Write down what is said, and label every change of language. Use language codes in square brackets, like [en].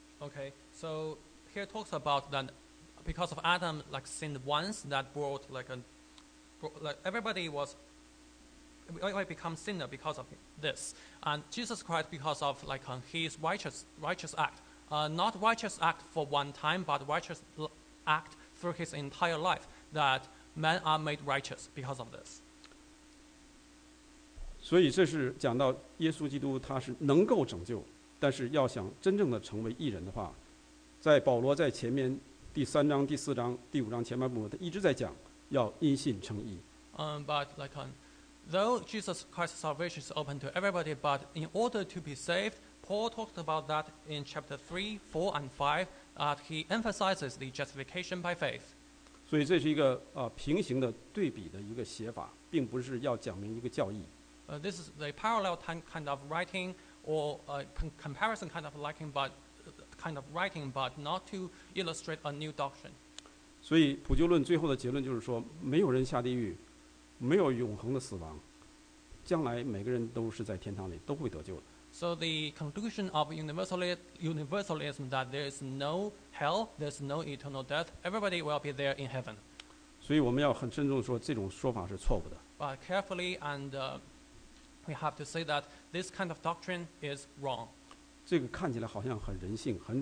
[en] Okay, so here talks about that because of Adam like sinned once, that brought like a like everybody was everybody become sinner because of this. And Jesus Christ, because of like his righteous act, not righteous act for one time, but righteous act through his entire life, that men are made righteous because of this. [zh] 所以这是讲到耶稣基督他是能够拯救, 但是要想真正的成为义人的话, 在保罗在前面第三章、第四章、第五章前半部分，他一直在讲, 要因信称义。 [en] But like, though Jesus Christ's salvation is open to everybody, but in order to be saved, Paul talked about that in chapter 3, 4, and 5, that he emphasizes the justification by faith. [zh] 所以这是一个, 平行的对比的一个写法, 并不是要讲明一个教义。 [en] This is the parallel kind of writing or a comparison kind of liking, but kind of writing, but not to illustrate a new doctrine. [zh] 所以普救论最后的结论就是说，没有人下地狱，没有永恒的死亡，将来每个人都是在天堂里，都会得救的。So [en] the conclusion of universalism that there is no hell, there's no eternal death, everybody will be there in heaven. [zh] 所以我们要很慎重地说，这种说法是错误的。But [en] carefully and we have to say that this kind of doctrine is wrong. [zh] 这个看起来好像很人性,